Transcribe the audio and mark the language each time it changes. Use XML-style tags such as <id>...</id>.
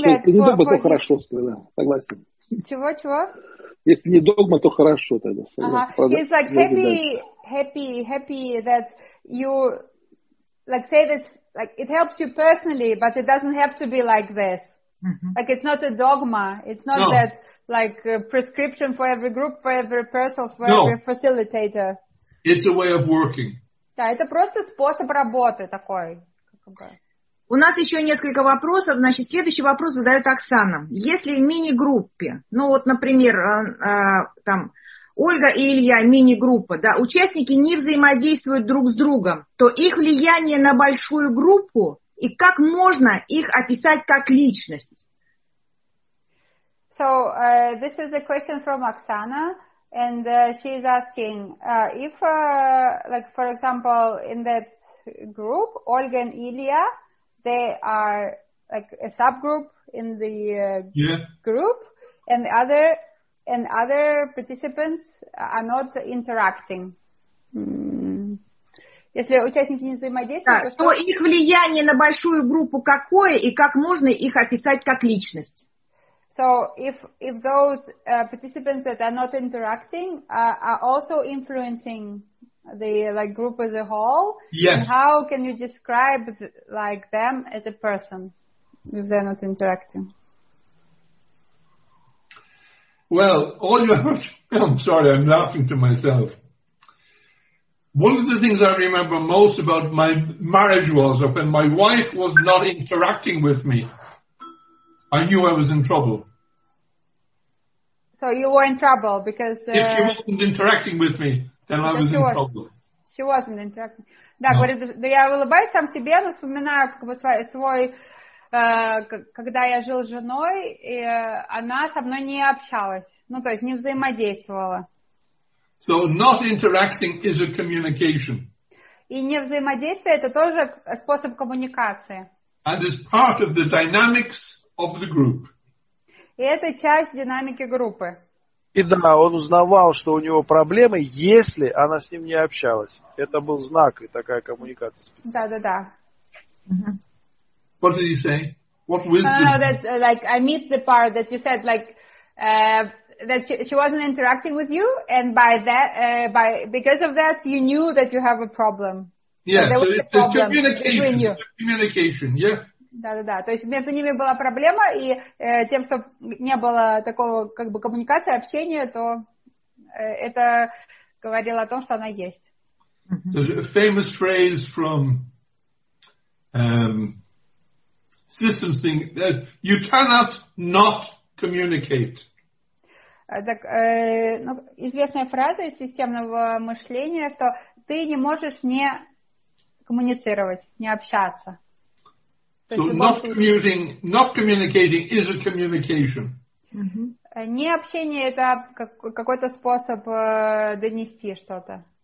<en>that...</en> <ru>Ты не думай, что хорошо сказал, согласен. Чего, чего? Если не догма, то хорошо тогда.</ru> <en>It's like happy that you like say this, like it helps you personally, but it doesn't have to be like this. Mm-hmm. Like it's not a dogma. It's not that like a prescription for every group, for every person, for every facilitator. It's a way of working.</en> <ru>Да, это просто способ работы такой. У нас еще несколько вопросов. Значит, следующий вопрос задает Оксана. Если в мини-группе, ну вот, например, там Ольга и Илья, мини-группа, да, участники не взаимодействуют друг с другом, то их влияние на большую группу и как можно их описать как личность?</ru> <en>So, this is a question from Оксана. And she's asking, if, like, for example, in that group, Olga and Ilya, they are, like, a subgroup in the group, and other participants are not interacting.</en> <ru>Если участники не взаимодействуют, то что... их влияние на большую группу какое, и как можно их описать как личность?</ru> <en>So if those participants that are not interacting are also influencing the like group as a whole, yes. Then how can you describe like them as a person if they're not interacting? Well, all you have to, I'm sorry, I'm laughing to myself. One of the things I remember most about my marriage was when my wife was not interacting with me, I knew I was in trouble. So you were in trouble because... if she wasn't interacting with me, then I was in trouble. She wasn't interacting.</en> <ru>Да,</ru> <en>no.</en> <ru>Говорит, я улыбаюсь сам себе, но вспоминаю как бы свой... когда я жил с женой, и она со мной не общалась. Ну, то есть не взаимодействовала.</ru> <en>So not interacting is a communication.</en> <ru>И не взаимодействие — это тоже способ коммуникации.</ru> <en>And it's part of the dynamics of the group.</en> <ru>И это часть динамики группы. И да, он узнавал, что у него проблемы, если она с ним не общалась. Это был знак и такая коммуникация. Да.</ru> <en>What did you say? What wisdom? No, that like I missed the part that you said, like that she wasn't interacting with you, and by that, by because of that, you knew that you have a problem. Yeah, so it's communication. Communication, yeah.</en> <ru>Да. То есть между ними была проблема, и тем, что не было такого как бы коммуникации, общения, то это говорило о том, что она есть.</ru> <en>There's a famous phrase from systems thing that you cannot not communicate.</en> <ru>Так, ну, известная фраза из системного мышления, что ты не можешь не коммуницировать, не общаться.</ru> <en>So not communicating is a communication.</en> <ru>Не общение — это какой-то способ донести что-то.</ru>